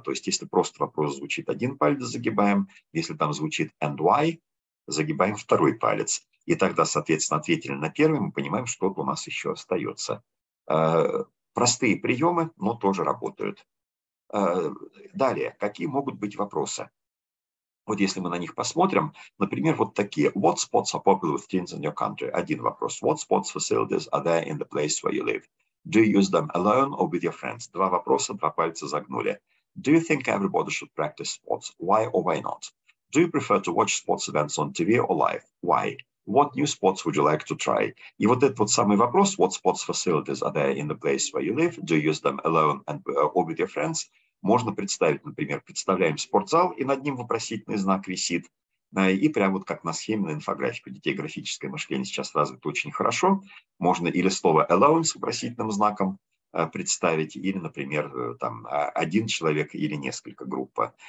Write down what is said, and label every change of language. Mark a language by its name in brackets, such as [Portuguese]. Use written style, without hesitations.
[Russian] То есть если просто вопрос звучит, 1 палец загибаем, если там звучит [English] and why, [Russian] загибаем 2 палец. И тогда, соответственно, ответили на первый, мы понимаем, что-то у нас еще остается. Простые приемы, но тоже работают. Далее, какие могут быть вопросы? Вот если мы на них посмотрим, например, вот такие. [English] What sports are popular with teens in your country? [Russian] Один вопрос. [English] What sports facilities are there in the place where you live? Do you use them alone or with your friends? [Russian] 2 вопроса, 2 пальца загнули. [English] Do you think everybody should practice sports? Why or why not? Do you prefer to watch sports events on TV or live? Why? What new sports would you like to try? [Russian] И вот этот вот самый вопрос, [English] what sports facilities are there in the place where you live? Do you use them alone and or with your friends? [Russian] Можно представить, например, представляем спортзал, и над ним вопросительный знак висит. И прямо вот как на схеме, на инфографику, детей графическое мышление сейчас развито очень хорошо. Можно или слово alone с вопросительным знаком представить, или, например, там один человек или несколько группа.